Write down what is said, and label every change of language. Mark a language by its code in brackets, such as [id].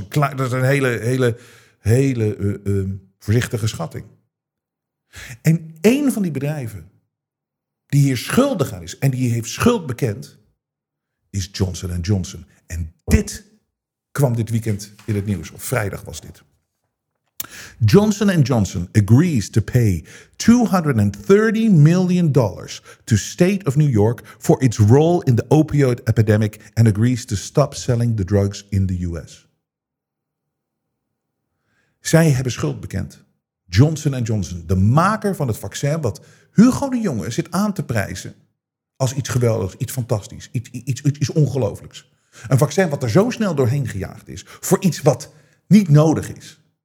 [nl] Dat is een hele voorzichtige schatting. En één van die bedrijven die hier schuldig aan is en die heeft schuld bekend, is Johnson & Johnson. En dit kwam dit weekend in het nieuws. Of vrijdag was dit. [en] Johnson & Johnson agrees to pay $230 million to State of New York for its role in the opioid epidemic and agrees to stop selling the drugs in the US. [nl] Zij hebben schuld bekend. Johnson & Johnson, de maker van het vaccin wat Hugo de Jonge zit aan te prijzen als iets geweldigs, iets fantastisch, iets ongelooflijks. Een vaccin wat er zo snel doorheen gejaagd is voor iets wat niet nodig is.